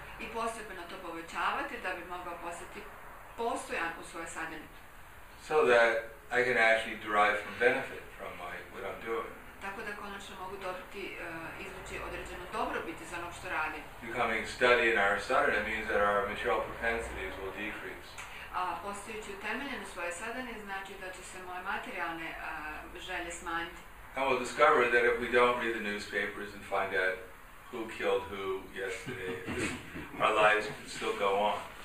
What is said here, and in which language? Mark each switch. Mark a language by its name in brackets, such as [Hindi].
[Croatian] I postepeno to povećavati da bi mogao postati postojan u svojoj sadhani. [English] So that I can actually derive some benefit from my what I'm doing. [Croatian] Tako da konačno mogu dobiti izvući određeno dobrobiti za ono što radim. [English] Becoming steady in our sadhana means that our material propensities will decrease. [Croatian] A postojeći utemeljen u svojoj sadhani znači da će se moje materijalne želje smanjiti. [English] And we'll discover that if we don't read the newspapers and find out who killed who yesterday, our lives can still go on.